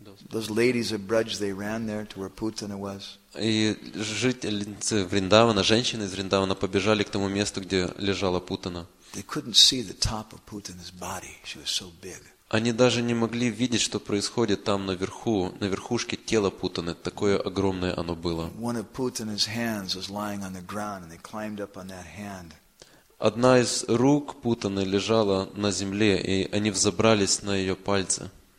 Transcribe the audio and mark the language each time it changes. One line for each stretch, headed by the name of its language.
English: Those ladies of Braj, they ran there to where Putana was.
Russian: И жительницы Вриндавана, женщины из Вриндавана, побежали к тому месту, где лежала Путана.
English: They couldn't see the top of Putana's body. She was so big.
Russian: Они даже не могли видеть, что происходит там наверху, на верхушке тела Путаны. Такое огромное оно было. Одна из рук Путаны лежала на земле, и они взобрались на ее пальцы.